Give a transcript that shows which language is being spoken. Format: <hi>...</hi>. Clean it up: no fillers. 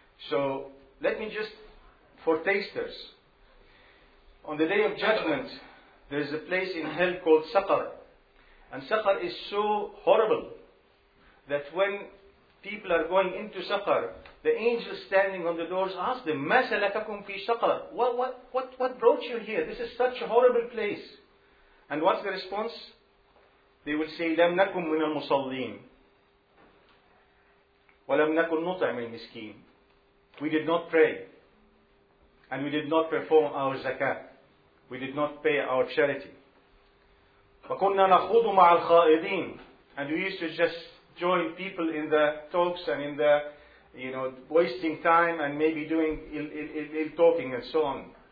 <en>So, let me just, for tasters, on the Day of Judgment, there is a place in hell called Saqar. And Saqar is so horrible that when people are going into Saqar, the angel standing on the doors ask them,</en> <ar>مَا سَلَكَكُمْ فِي</ar> <en>Saqar? What brought you here? This is such a horrible place. And what's the response? They will say,</en> <ar>لَمْ نَكُمْ مِنَ الْمُصَلِّينَ وَلَمْ نَكُمْ نُطَعْمِ الْمِسْكِينَ.</ar> <en>We did not pray. And we did not perform our zakat. We did not pay our charity.</en> <ar>وَكُنَّا نَخُوضُ مَعَ الْخَائِضِينَ.</ar> <en>And we used to just join people in the talks and in the, you know, wasting time and maybe doing ill talking and so on.</en>